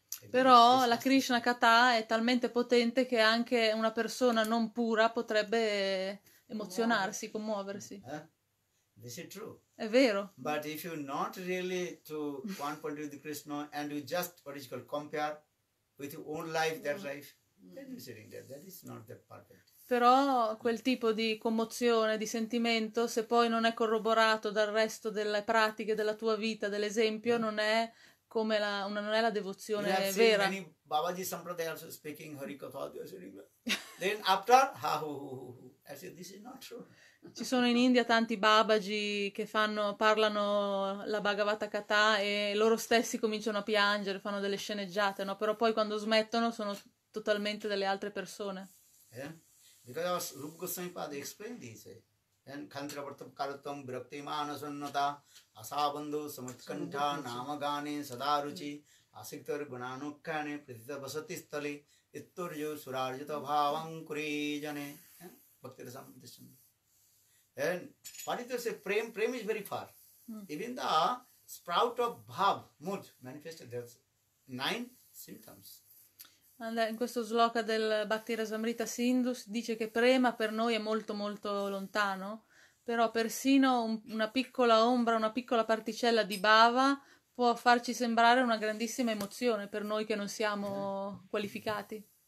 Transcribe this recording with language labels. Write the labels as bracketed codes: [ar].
[it] Però la Krishna Katha è talmente potente che anche una persona non pura potrebbe emozionarsi, commuoversi. [en] This is true. [it] È vero. [en] But if you not really to one point with Krishna and you just what is called compare with your own life, that life, then you're sitting there. That is not that perfect. [it] Però quel tipo di commozione, di sentimento, se poi non è corroborato dal resto delle pratiche della tua vita, dell'esempio, non è come non è la devozione vera. [en] You have seen many Babaji Sampradaya also speaking harikatha, they are sitting there. Then after, ha ho ho ho ho. I said, this is not true. [it] Ci sono in India tanti babaji che parlano la Bhagavata Katha e loro stessi cominciano a piangere, fanno delle sceneggiate, no? Però poi quando smettono sono totalmente delle altre persone. [en] Because Rupa Goswami Pada explained this. [sa] Khantiravartam karatam viraktimana sunnata asabandhu samatkantha namagane sadaruchi asiktar gunanukkane prithita basati stali itturyo surarjita bhavam kurijane bhakti rasam. [en] And what is this? Prem is very far. Even the sprout of bhav, mood, manifested there. 9 symptoms. [it] In questo sloka del Bhakti Rasamrita Sindhu si dice che prema per noi è molto molto lontano, però persino una piccola ombra, una piccola particella di bhava può farci sembrare una grandissima emozione per noi che non siamo qualificati.